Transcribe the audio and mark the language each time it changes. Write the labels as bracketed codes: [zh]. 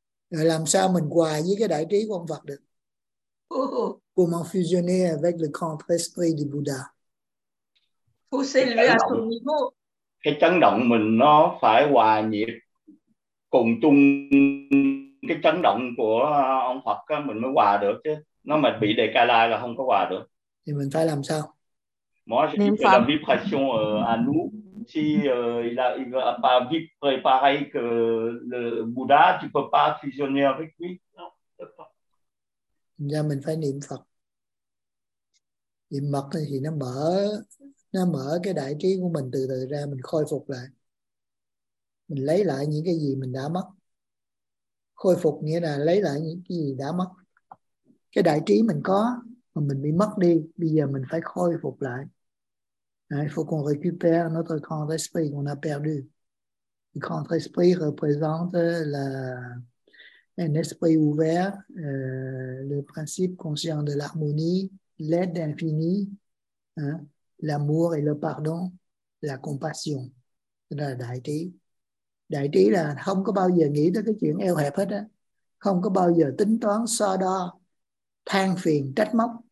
[vi] Rồi làm sao mình hòa với cái đại trí của ông Phật được? [fr] Comment fusionner avec le grand esprit du Bouddha? [vi] Cái chấn động mình nó phải hòa nhịp cùng chung cái chấn động của ông Phật á, mình mới hòa được chứ. Nó mà bị đề ca la là không có hòa được. Thì mình phải làm sao? [fr] Moi, je fais la vibration à nous. Si il a pas vibré pareil que le Bouddha, tu peux pas fusionner avec lui. [vi] Thành ra mình phải niệm Phật. Niệm Phật thì nó mở cái đại trí của mình từ từ ra, mình khôi phục lại. Mình lấy lại những cái gì mình đã mất. Khôi phục nghĩa là lấy lại những cái gì đã mất. Cái đại trí mình có mà mình bị mất đi, bây giờ mình phải khôi phục lại. [fr] Il faut qu'on récupère notre grand esprit qu'on a perdu. Le grand esprit représente la un esprit ouvert, le principe conscient de l'harmonie, l'aide infinie, hein, l'amour et le pardon, la compassion. C'est la daïti. [vi] Daïti là không có bao giờ nghĩ tới cái chuyện eo hẹp hết á. Không có bao giờ tính toán, so đo, than phiền, trách móc.